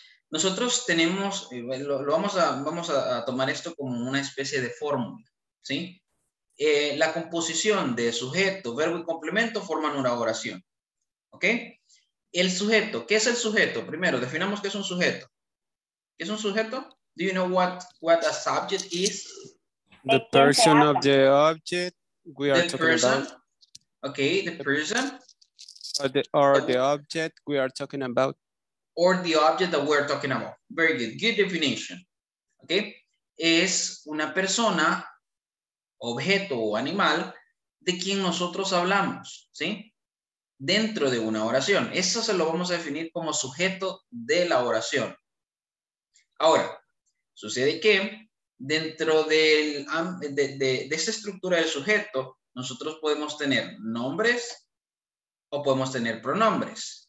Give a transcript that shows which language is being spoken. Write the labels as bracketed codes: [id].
[es] Nosotros tenemos, vamos a tomar esto como una especie de fórmula, ¿sí? La composición de sujeto, verbo y complemento forman una oración, ¿ok? El sujeto, ¿qué es el sujeto? Primero, definamos qué es un sujeto. ¿Qué es un sujeto? [en] Do you know what a subject is? The person of the object we are talking person. About. Okay, the person. Or the object we are talking about. Or the object that we are talking about. Very good, good definition. [es] Okay, es una persona, objeto o animal de quien nosotros hablamos, ¿sí? Dentro de una oración. Eso se lo vamos a definir como sujeto de la oración. Ahora, sucede que dentro de esa estructura del sujeto, nosotros podemos tener nombres o podemos tener pronombres.